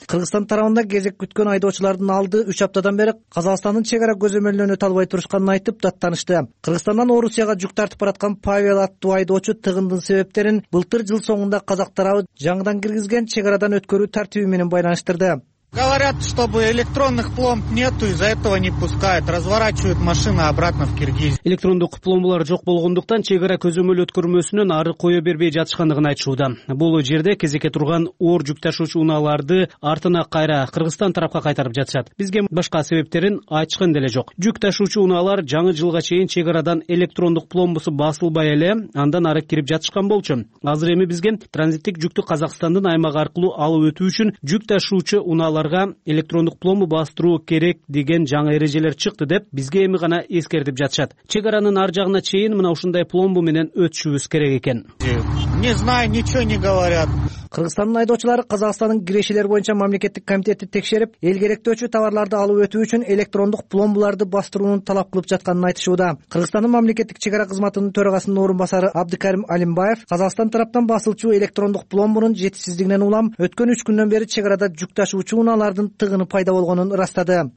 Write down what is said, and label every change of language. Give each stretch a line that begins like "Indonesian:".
Kyrgyz: Кыргызстан тарабында кезек күткөн айдоочулардын алды 3 аптадан бери Казакстандын чек ара көзөмөлүнөнө талбай турушканын айтып даттанышты. Кыргызстандан Орусияга жүк тартып бараткан Павел аттуу айдоочу тыгындын себептерин былтыр жыл соңунда Казак тарабы жаңыдан киргизген чек арадан өткөрүү тартиби менен байланыштырды.
Russian: Говорят, чтобы электронных пломб нету, из-за этого не пускают, разворачивают машины обратно в Киргизию.
Kyrgyz: Электрондук пломбалар жок болгондуктан чек ара көзөмөл өткөрмөсүнөн ары кое бербей жатышкандыгын айтышууда. Бул жерде кезекке турган оор жүк ташуучу унааларды артына кайра Кыргызстан тарапка кайтарып жатышат. Бизге башка себептерин айтышкан деле жок. Жүк ташуучу унаалар жаңы жылга чейин чек арадан электрондук пломбасы басылбай эле андан ары кирип жатышкан болчу. Азыр эми бизге транзиттик жүктү Казакстандын аймагы аркылуу алып өтүү үчүн жүк ташуучу унаа аларга электрондук пломба бастыруу керек деген жаңы эрежелер чыкты деп бизге эми гана эскертип жатышат. Чек аранын ар жагына чейин мына ушундай пломба менен өтүшүбүз керек экен.
Russian: Не знаю, ничего не говорят.
Kyrgyz: Кыргызстандын айдоочулары Казакстандын кирешилер боюнча мамлекеттик комитетти текшерип, эл керектөөчү товарларды алып өтүү үчүн электрондук пломбаларды бастырууну талап кылып жатканын айтышууда. Кыргызстандын мамлекеттик чек ара кызматынын төрагасынын орун басары Абдыкарим Алимбаев Казакстан тараптан басылчу электрондук пломбунун жетишсиздигинен улам өткөн 3 күндөн бери чек арада жүк ташуучу унаалардын тыгыны пайда болгонун ырастады.